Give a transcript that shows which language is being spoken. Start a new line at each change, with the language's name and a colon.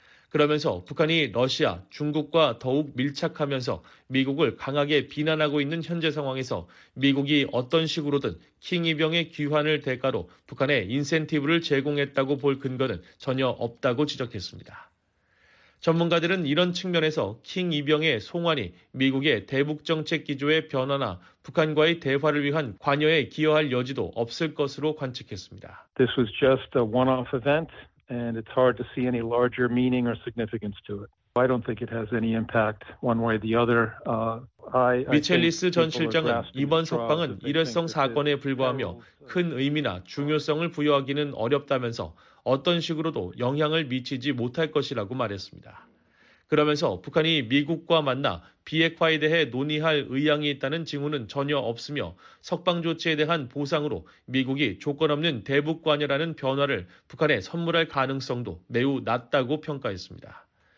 Korean: 그러면서 북한이 러시아, 중국과 더욱 밀착하면서 미국을 강하게 비난하고 있는 현재 상황에서 미국이 어떤 식으로든 킹 이병의 귀환을 대가로 북한에 인센티브를 제공했다고 볼 근거는 전혀 없다고 지적했습니다. 전문가들은 이런 측면에서 킹 이병의 송환이 미국의 대북정책 기조의 변화나 북한과의 대화를 위한 관여에 기여할 여지도 없을 것으로 관측했습니다.
English: This was just a one-off event, and it's hard to see any larger meaning or significance to it. I don't think it has any impact one way or the other.
Korean: 미첼리스 전 실장은 이번 석방은 일회성 사건에 불과하며 큰 의미나 중요성을 부여하기는 어렵다면서 어떤 식으로도 영향을 미치지 못할 것이라고 말했습니다. 그러면서 북한이 미국과 만나 비핵화에 대해 논의할 의향이 있다는 징후는 전혀 없으며 석방 조치에 대한 보상으로 미국이 조건 없는 대북 관여라는 변화를 북한에 선물할 가능성도 매우 낮다고 평가했습니다.